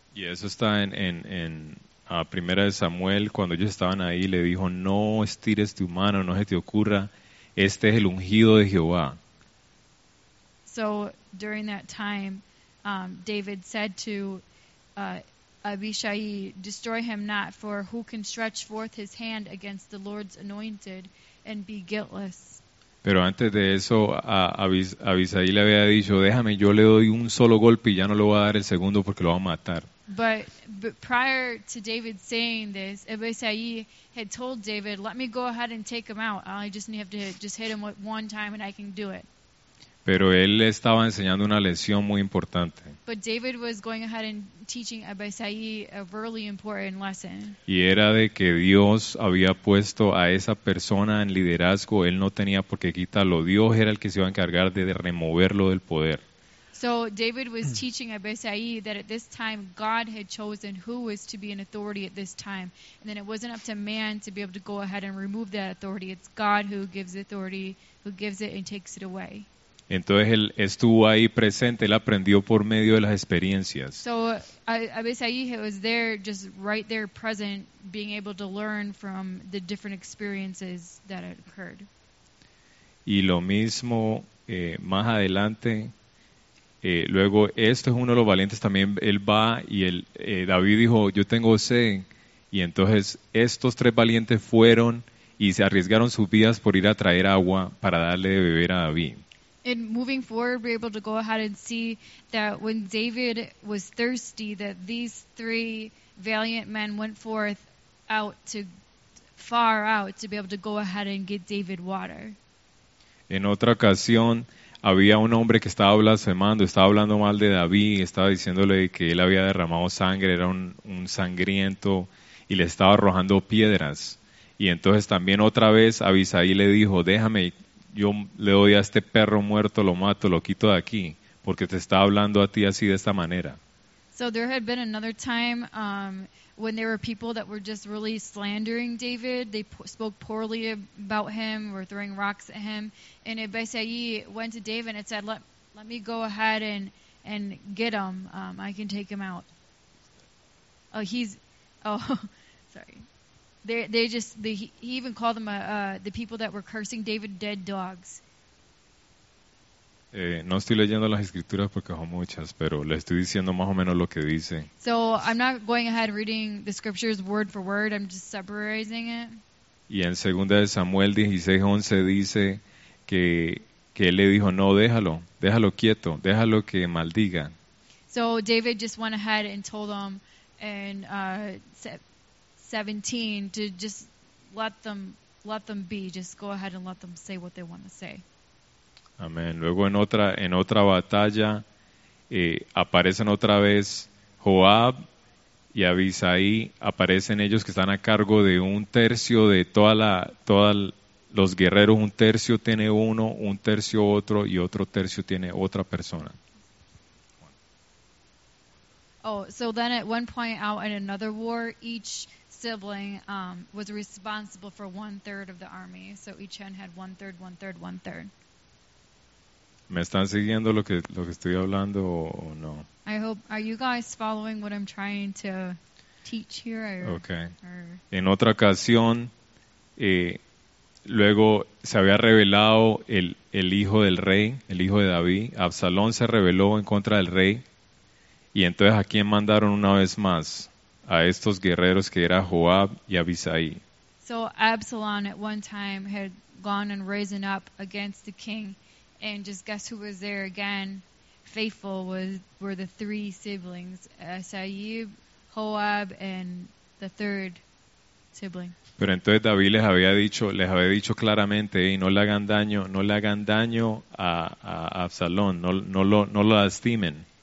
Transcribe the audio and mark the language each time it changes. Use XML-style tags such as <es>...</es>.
<es>Y eso está en Primera de Samuel, cuando ellos estaban ahí, le dijo, no estires tu mano, no se te ocurra, este es el ungido de Jehová.</es> <en>So, during that time, David said to Abishai, destroy him not, for who can stretch forth his hand against the Lord's anointed and be guiltless?</en> <es>Pero antes de eso, Abisai le había dicho, déjame, yo le doy un solo golpe y ya no le voy a dar el segundo porque lo va a matar.</es> <en>But prior to David saying this, Abisai had told David, let me go ahead and take him out. I just need to just hit him one time and I can do it.</en> <es>Pero él estaba enseñando una lección muy importante.</es> <en>But David was going ahead and teaching Abisai a really important lesson.</en> <es>Y era de que Dios había puesto a esa persona en liderazgo. Él no tenía por qué quitarlo. Dios era el que se iba a encargar de removerlo del poder.</es> <en>So David was teaching Abishai that at this time God had chosen who was to be in authority at this time. And then it wasn't up to man to be able to go ahead and remove that authority. It's God who gives authority, who gives it and takes it away.</en> <es>Entonces él estuvo ahí presente, él aprendió por medio de las experiencias.</es> <en>So Abishai was there, just right there present, being able to learn from the different experiences that had occurred.</en> <es>Y lo mismo más adelante, luego esto es uno de los valientes también, él va y él, David dijo, yo tengo sed, y entonces estos tres valientes fueron y se arriesgaron sus vidas por ir a traer agua para darle de beber a David.</es> <en>And moving forward, we're able to go ahead and see that when David was thirsty, that these three valiant men went forth out to far out to be able to go ahead and get David water.</en> <es>En otra ocasión, había un hombre que estaba blasfemando, estaba hablando mal de David, estaba diciéndole que él había derramado sangre, era un sangriento, y le estaba arrojando piedras. Y entonces también otra vez Abisaí le dijo, déjame, yo le doy a este perro muerto, lo mato, lo quito de aquí, porque te está hablando a ti así de esta manera.</es> <en>So there had been another time when there were people that were just really slandering David. They spoke poorly about him, were throwing rocks at him. And Abishai went to David and said, let me go ahead and get him. I can take him out. Sorry. He even called them the people that were cursing David dead dogs.</en> <es>No estoy leyendo las escrituras porque son muchas, pero le estoy diciendo más o menos lo que dice.</es> <en>So I'm not going ahead reading the scriptures word for word. I'm just summarizing it.</en> <es>Y en 2 Samuel 16:11 dice que él le dijo, no, déjalo quieto, déjalo que maldiga.</es> <en>So David just went ahead and told them and said. 17 to just let them be, just go ahead and let them say what they want to say.</en> <es>Amén. Luego en otra batalla aparecen otra vez Joab y Abisaí, aparecen ellos que están a cargo de un tercio de todos los guerreros, un tercio tiene uno, un tercio otro y otro tercio tiene otra persona.</es> <en>Oh, so then at one point out in another war, each sibling was responsible for 1/3 of the army. So each hen had 1/3, 1/3, 1/3.</en> <es>¿Me están siguiendo lo que estoy hablando o no?</es> <en>I hope, are you guys following what I'm trying to teach here? Okay.</en> <es>En otra ocasión, luego se había revelado el hijo del rey, el hijo de David. Absalón se rebeló en contra del rey. Y entonces, ¿a quién mandaron una vez más? A estos guerreros que era Joab y Abisai.</es> <en>So Absalom at one time had gone and risen up against the king, and just guess who was there again? Faithful were the three siblings, Sayib, Joab, and the third sibling.</en> <es>Pero entonces David les había dicho claramente, hey, no le hagan daño a Absalón, no lo lastimen.</es>